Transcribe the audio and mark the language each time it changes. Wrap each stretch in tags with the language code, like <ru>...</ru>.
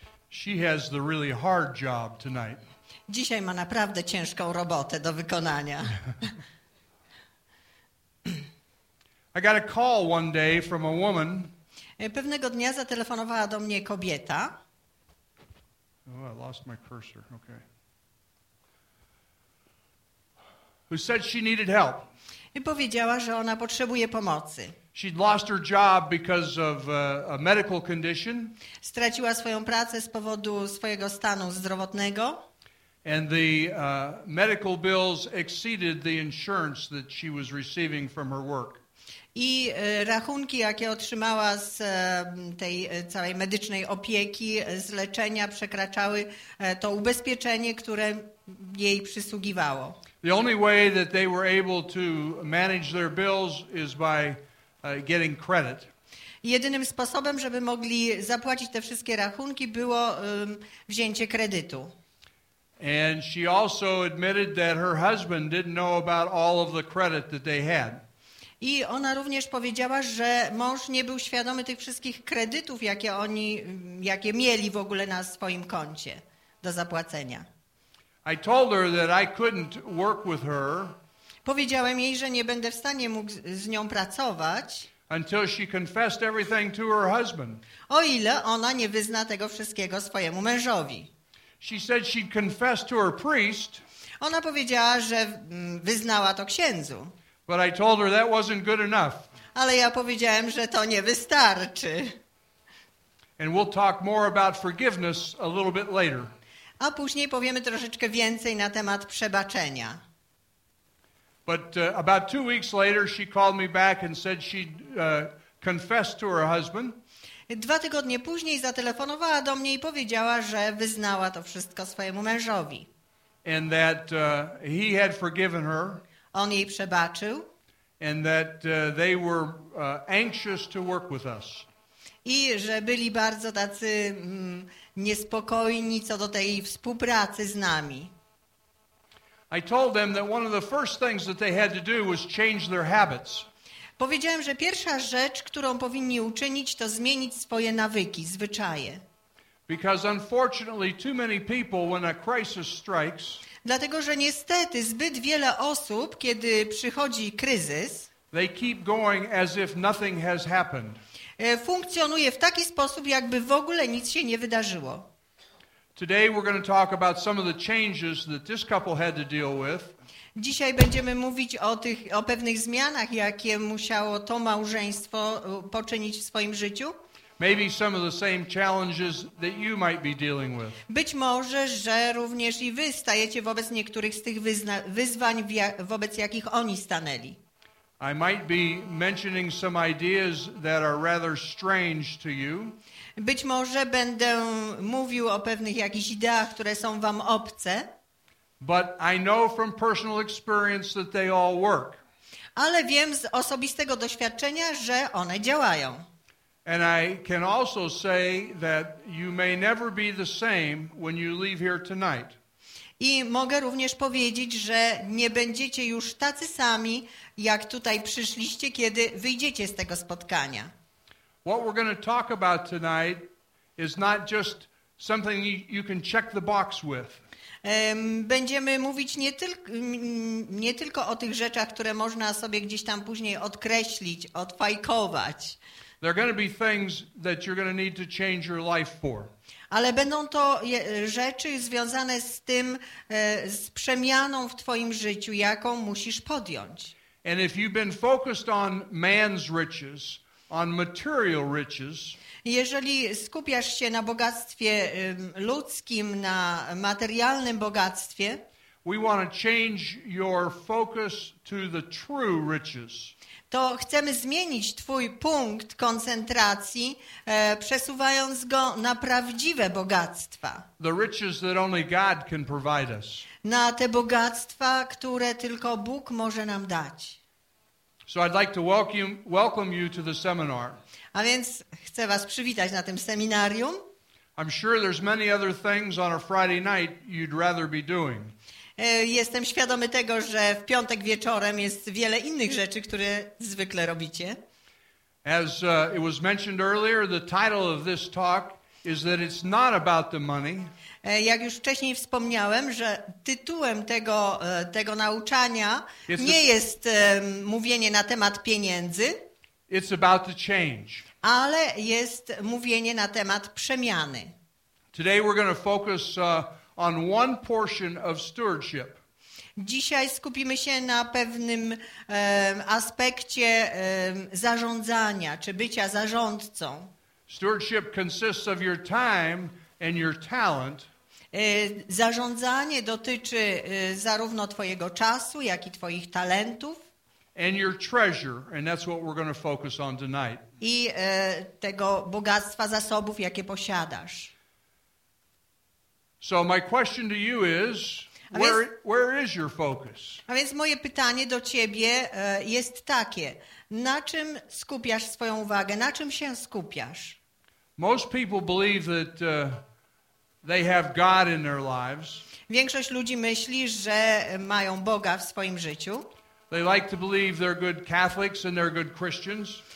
<en>She has the really hard job tonight.</en> <pl>Dzisiaj ma naprawdę ciężką robotę do wykonania.</pl> <en>I got a call one day from a woman.</en> <pl>Pewnego dnia zatelefonowała do mnie kobieta.</pl> <en>Oh, I lost my cursor. Okay. Who said she needed help?</en> <pl>I powiedziała, że ona potrzebuje pomocy.</pl> <en>She'd lost her job because of a medical condition.</en> <pl>Straciła swoją pracę z powodu swojego stanu zdrowotnego.</pl> <en>And the medical bills exceeded the insurance that she was receiving from her work.</en> <pl>I rachunki, jakie otrzymała z tej całej medycznej opieki, z leczenia, przekraczały to ubezpieczenie, które jej przysługiwało.</pl> <en>The only way that they were able to manage their bills is by getting credit.</en> <pl>Jedynym sposobem, żeby mogli zapłacić te wszystkie rachunki, było wzięcie kredytu.</pl> <en>And she also admitted that her husband didn't know about all of the credit that they had.</en> <pl>I ona również powiedziała, że mąż nie był świadomy tych wszystkich kredytów, jakie oni, jakie mieli w ogóle na swoim koncie do zapłacenia.</pl> <en>I told her that I couldn't work with her.</en> <pl>Powiedziałem jej, że nie będę w stanie mógł z nią pracować.</pl> <en>Until she confessed everything to her husband.</en> <pl>O ile ona nie wyzna tego wszystkiego swojemu mężowi.</pl> <en>She said she'd confess to her priest.</en> <pl>Ona powiedziała, że wyznała to księdzu.</pl> <en>But I told her that wasn't good enough.</en> <pl>Ale ja powiedziałem, że to nie wystarczy.</pl> <en>And we'll talk more about forgiveness a little bit later.</en> <pl>A później powiemy troszeczkę więcej na temat przebaczenia.</pl> <en>But about 2 weeks later she called me back and said she'd confessed to her husband.</en> <pl>Dwa tygodnie później zatelefonowała do mnie i powiedziała, że wyznała to wszystko swojemu mężowi.</pl> <en>And that he had forgiven her.</en> <pl>On jej przebaczył.</pl> <en>And that they were anxious to work with us.</en> <pl>I że byli bardzo tacy niespokojni co do tej współpracy z nami.</pl> <en>I told them that one of the first things that they had to do was change their habits.</en> <pl>Powiedziałem, że pierwsza rzecz, którą powinni uczynić, to zmienić swoje nawyki, zwyczaje.</pl> <en>Because unfortunately too many people when a crisis strikes.</en> <pl>Dlatego, że niestety zbyt wiele osób, kiedy przychodzi kryzys,</pl> <en>they keep going as if nothing has happened.</en> <pl>Funkcjonuje w taki sposób, jakby w ogóle nic się nie wydarzyło.</pl> <en>Today we're going to talk about some of the changes that this couple had to deal with.</en> <pl>Dzisiaj będziemy mówić o pewnych zmianach, jakie musiało to małżeństwo poczynić w swoim życiu.</pl> <en>Maybe some of the same challenges that you might be dealing with.</en> <pl>Być może, że również i wy stajecie wobec niektórych z tych wyzwań, wobec jakich oni stanęli.</pl> <en>I might be mentioning some ideas that are rather strange to you.</en> <pl>Być może będę mówił o pewnych jakichś ideach, które są wam obce.</pl> <en>But I know from personal experience that they all work.</en> <pl>Ale wiem z osobistego doświadczenia, że one działają.</pl> <en>And I can also say that you may never be the same when you leave here tonight.</en> <pl>I mogę również powiedzieć, że nie będziecie już tacy sami, jak tutaj przyszliście, kiedy wyjdziecie z tego spotkania.</pl> <en>What we're going to talk about tonight is not just something you can check the box with.</en> <pl>Będziemy mówić nie tylko o tych rzeczach, które można sobie gdzieś tam później odkreślić, odfajkować.</pl> <en>There are going to be things that you're going to need to change your life for.</en> <pl>Ale będą to rzeczy związane z tym, z przemianą w twoim życiu, jaką musisz podjąć.</pl> <en>And if you've been focused on man's riches, on material riches,</en> <pl>jeżeli skupiasz się na bogactwie ludzkim, na materialnym bogactwie,</pl> <en>we want to change your focus to the true riches.</en> <pl>To chcemy zmienić twój punkt koncentracji, przesuwając go na prawdziwe bogactwa.</pl> <en>The riches that only God can provide us.</en> <pl>Na te bogactwa, które tylko Bóg może nam dać.</pl> <en>So I'd like to welcome you to the seminar.</en> <pl>A więc chcę was przywitać na tym seminarium.</pl> <en>I'm sure there's many other things on a Friday night you'd rather be doing.</en> <pl>Jestem świadomy tego, że w piątek wieczorem jest wiele innych rzeczy, które zwykle robicie.</pl> <en>As it was mentioned earlier, the title of this talk is that it's not about the money.</en> <pl>Jak już wcześniej wspomniałem, że tytułem tego nauczania nie jest mówienie na temat pieniędzy.</pl> <en>It's about the change.</en> <pl>Ale jest mówienie na temat przemiany.</pl> <en>Today we're going to focus on one portion of stewardship.</en> <pl>Dzisiaj skupimy się na pewnym aspekcie zarządzania, czy bycia zarządcą.</pl> <en>Stewardship consists of your time and your talent.</en> <pl>Zarządzanie dotyczy zarówno twojego czasu, jak i twoich talentów.</pl> <en>And your treasure, and that's what we're going to focus on tonight.</en> <pl>I tego bogactwa, zasobów, jakie posiadasz.</pl> <en>So my question to you is, where is your focus?</en> <pl>A więc moje pytanie do ciebie jest takie. Na czym skupiasz swoją uwagę? Na czym się skupiasz?</pl> <en>Most people believe that they have God in their lives.</en> <pl>Większość ludzi myśli, że mają Boga w swoim życiu.</pl> <en>They like to believe they're good Catholics and they're good Christians.</en>